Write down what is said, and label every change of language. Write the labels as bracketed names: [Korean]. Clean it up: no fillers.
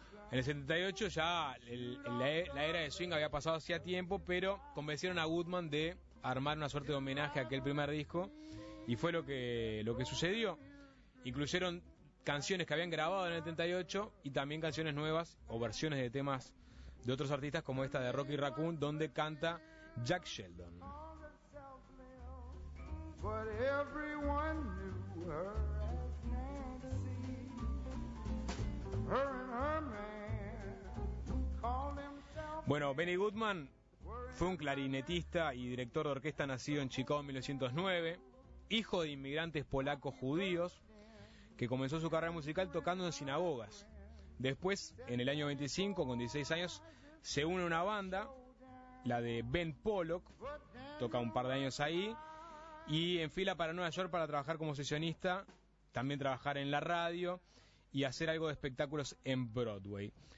[Spanish] En el 78 ya la era de swing había pasado hacía tiempo, pero convencieron a Goodman de armar una suerte de homenaje a aquel primer disco, y fue lo que sucedió. Incluyeron canciones que habían grabado en el 78 y también canciones nuevas o versiones de temas de otros artistas, como esta de Rocky Raccoon, donde canta Jack Sheldon. [English] But everyone knew her as Nancy. Her and her man, who called himself. [Spanish] Bueno, Benny Goodman fue un clarinetista y director de orquesta nacido en Chicago en 1909, hijo de inmigrantes polacos judíos, que comenzó su carrera musical tocando en sinagogas. Después, en el año 25, con 16 años, se une a una banda, la de Ben Pollock, toca un par de años ahí, y enfila para Nueva York para trabajar como sesionista, también trabajar en la radio y hacer algo de espectáculos en Broadway.